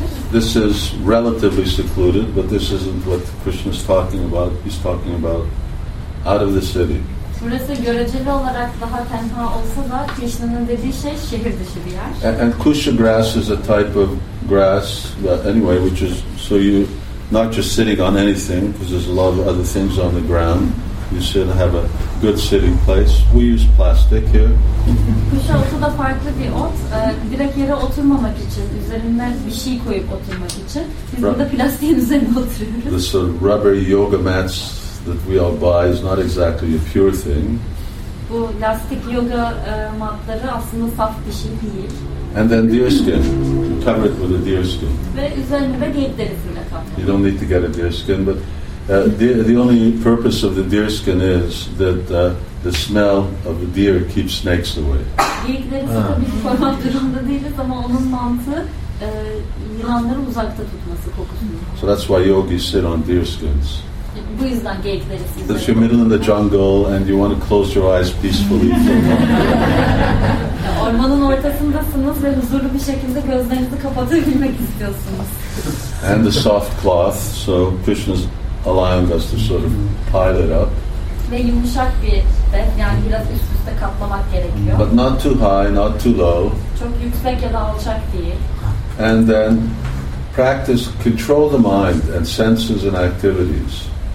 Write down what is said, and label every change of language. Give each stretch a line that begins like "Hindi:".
English: This is relatively secluded, but this isn't what Krishna is talking about. He's talking about out of the city.
Turkish: Burası göreceli olarak daha tenha olsa da Krishna'nın dediği şey şehir dışı bir yer.
English: And Kusha grass is a type of grass, but anyway, which is so you not just sitting on anything because there's a lot of other things on the ground. You should have a good sitting place. We use plastic here.
Turkish: Kusha otu da farklı bir ot. Direkt yere oturmamak için, üzerine bir şey koyup oturmak için. Biz burada plastiğin üzerine oturuyoruz.
English: This sort of rubber yoga mats that we all buy is not exactly a pure thing.
Turkish: Bu lastik yoga matları aslında saf bir şey değil.
English: And then deerskin, cover it with a deerskin.
Turkish: Ve üzerine de geyik derisiyle kaplı.
English: You don't need to get a deerskin, but the only purpose of the deerskin is that the smell of the deer keeps snakes away.
Turkish: Geyik derisi bir format durumda değiliz ama onun mantığı yılanları uzakta tutması, kokusunu.
English: So that's why yogis sit on deerskins.
Turkish: Bu yüzden geyikleri sizlere.
English: If you're middle in the jungle and you want to close your eyes peacefully.
Turkish: Ormanın ortasındasınız ve huzurlu bir şekilde gözlerinizi kapatabilmek istiyorsunuz.
English: And the soft cloth, so Krishna's allowing us to sort of pile it up.
Turkish: Ve yumuşak bir bez, yani biraz üst üste kaplamak gerekiyor.
English: But not too high, not too low.
Turkish: Çok yüksek ya da alçak değil.
English: And then practice, control the mind and senses and activities.